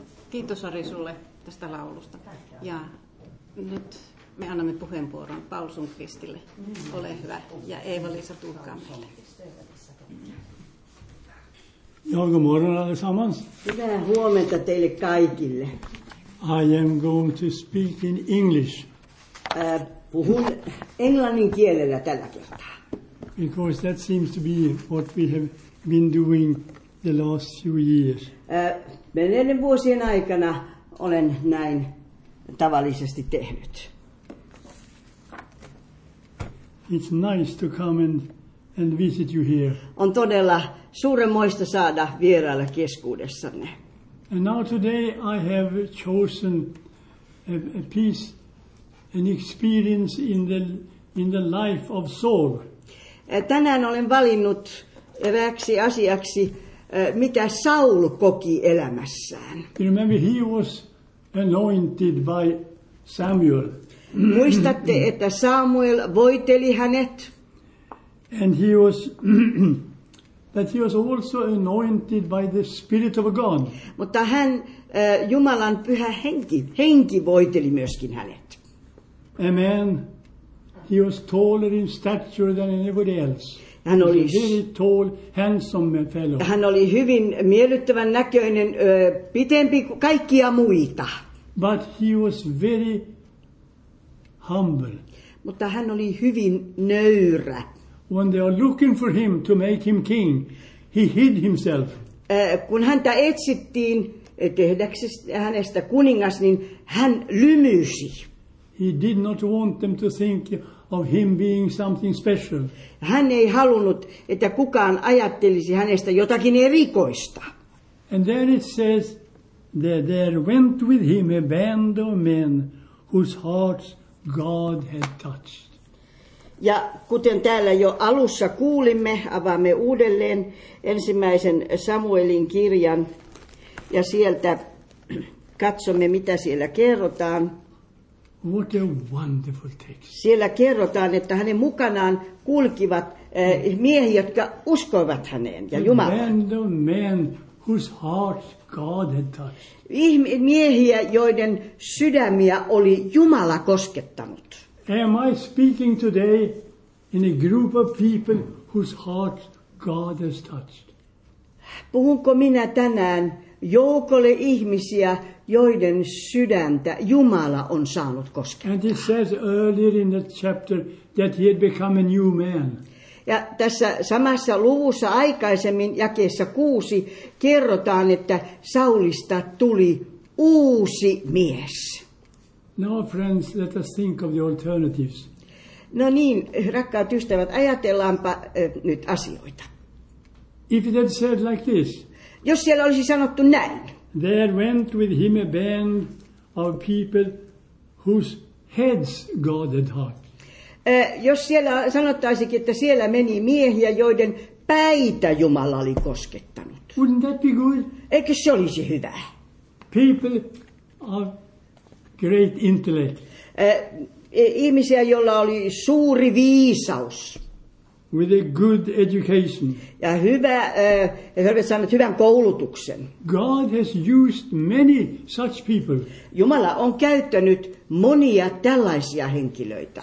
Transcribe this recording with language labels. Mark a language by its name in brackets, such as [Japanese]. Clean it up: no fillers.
[Finnish] Kiitos Ari sulle tästä laulusta. Ja nyt me annamme puheenvuoron Paul Sundqvistille. Ole hyvä. Ja Eeva-Liisa, tulkaa meille. [Swedish] Joka morgon allesammans. [Finnish] Hyvää huomenta teille kaikille. [English] I am going to speak in English. [Finnish] Puhun englannin kielellä tällä kertaa. [English] Because that seems to be what we have been doing the last few years. [Finnish] Menneiden vuosien aikana olen näin tavallisesti tehnyt. [English] It's nice to come and visit you here. [Finnish] On todella suuremmoista saada vierailla keskuudessanne. [English] And now today I have chosen a piece, an experience in the life of Saul. [Finnish] Tänään olen valinnut erääksi asiaksi, mitä Saul koki elämässään. [English] You remember he was anointed by Samuel. [Finnish] Muistatte, että Samuel voiteli hänet. [English] And he was that he was also anointed by the Spirit of God. [Finnish] Mutta hän Jumalan pyhä henki voiteli myöskin hänet. [English] A man, he was taller in stature than anybody else. [Finnish] Hän oli [English] very tall, handsome fellow. [Finnish] Hän oli hyvin miellyttävän näköinen, pitempi kuin kaikkia muita. [English] But he was very humble. [Finnish] Mutta hän oli hyvin nöyrä. [English] When they are looking for him to make him king, he hid himself. [Finnish] Kun häntä etsittiin tehdäksesi hänestä kuningas, niin hän lymyisi. [English] He did not want them to think of him being something special. [Finnish] Hän ei halunnut, että kukaan ajattelisi hänestä jotakin erikoista. [English] And then it says that there went with him a band of men whose hearts God had touched. [Finnish] Ja kuten täällä jo alussa kuulimme, avaamme uudelleen ensimmäisen Samuelin kirjan ja sieltä katsomme, mitä siellä kerrotaan. [English] What a wonderful text. [Finnish] Siellä kerrotaan, että hänen mukanaan kulkivat miehiä, jotka uskoivat häneen ja Jumalaan. [English] The men whose hearts God had touched. [Finnish] Miehiä, joiden sydämiä oli Jumala koskettanut. [English] Am I speaking today in a group of people whose hearts God has touched? [Finnish] Puhunko minä tänään joukolle ihmisiä, joiden sydäntä Jumala on saanut koskettaa? [English] And it says earlier in that chapter that he had become a new man. [Finnish] Ja tässä samassa luvussa aikaisemmin, jakeessa 6, kerrotaan, että Saulista tuli uusi mies. [English] Now friends, let us think of the alternatives. [Finnish] No niin, rakkaat ystävät, ajatellaanpa nyt asioita. [English] If it had said like this. [Finnish] Jos siellä olisi sanottu näin. [English] There went with him a band of people whose heads God had touched. [Finnish] Jos siellä sanottaisikin, että siellä meni miehiä, joiden päitä Jumala oli koskettanut. [English] Wouldn't that be good? [Finnish] Eikö se olisi hyvä? [English] People of great intellect. [Finnish] Ihmisiä, joilla oli suuri viisaus. [English] With a good education. [Finnish] Ja hyvä, he sanovat hyvän koulutuksen. [English] God has used many such people. [Finnish] Jumala on käyttänyt monia tällaisia henkilöitä.